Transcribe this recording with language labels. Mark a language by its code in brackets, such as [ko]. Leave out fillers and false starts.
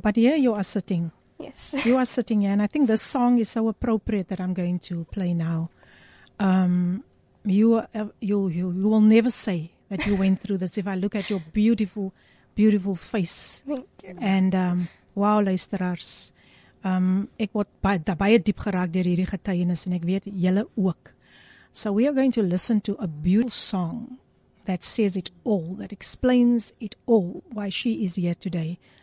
[en] But here you are sitting. Yes. You are sitting here, and I think this song is so appropriate that I'm going to play now. You will never say that you went through this if I look at your beautiful, beautiful face. Thank you. And wow, luisteraars. [af] Ek word baie diep geraak deur hierdie getuienis, en ek weet julle ook. [en] So we are going to listen to a beautiful song that says it all, that explains it all, why she is here today.